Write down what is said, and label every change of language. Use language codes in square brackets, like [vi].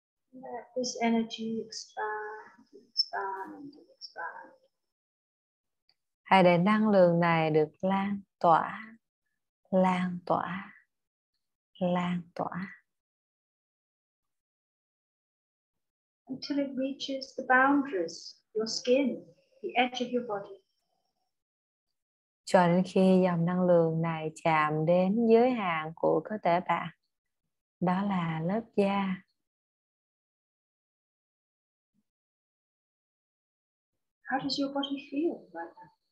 [en] Let this energy expand, expand, expand. [vi] Hãy để năng lượng này được lan tỏa, lan tỏa, lan tỏa. [en] Until it reaches the boundaries, your skin, the edge of your body. [vi] Cho đến khi dòng năng lượng này chạm đến giới hạn của cơ thể bạn, đó là lớp da. [en] How does your body feel right now?